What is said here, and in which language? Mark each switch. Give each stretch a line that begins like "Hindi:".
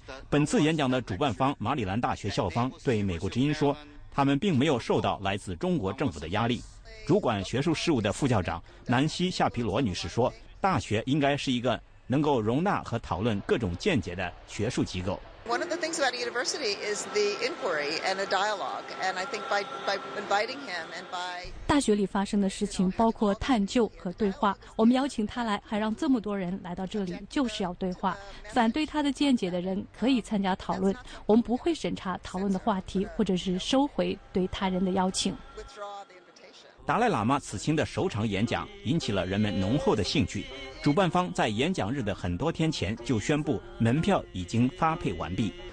Chinese: 本次演讲的主办方马里兰大学校方对美国之音说，他们并没有受到来自中国政府的压力。主管学术事务的副校长南希·夏皮罗女士说，大学应该是一个能够容纳和讨论各种见解的学术机构。
English: One of the things about a university is the inquiry and a dialogue, and I think by inviting him and by
Chinese: 大学里发生的事情包括探究和对话。我们邀请他来，还让这么多人来到这里，就是要对话。反对他的见解的人可以参加讨论，我们不会审查讨论的话题，或者是收回对他人的邀请。达赖喇嘛此行的首场演讲引起了人们浓厚的兴趣，主办方在演讲日的很多天前就宣布门票已经发配完毕。